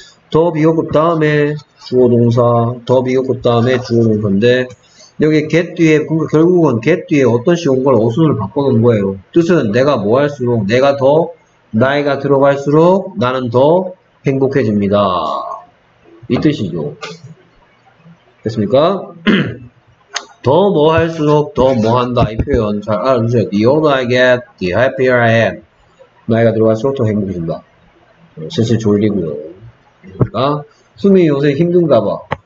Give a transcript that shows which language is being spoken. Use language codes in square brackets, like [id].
[ko] 더 비교급 다음에 주어동사, 더 비교급 다음에 주어동사인데 여기 get 뒤에, 그러니까 결국은 get 뒤에 어떤 식으로 온걸 어순을 바꿔놓은 거예요. 뜻은 내가 뭐 할수록, 내가 더 나이가 들어갈수록 나는 더 행복해집니다. 이 뜻이죠. 됐습니까? 더 뭐 할수록 더 뭐 한다 이 표현 잘 알아두세요. [en] The older I get, the happier I am. [ko] 나이가 들어갈수록 더 행복해진다. 슬슬 졸리고요. 그러니까 숨이 요새 힘든가 봐.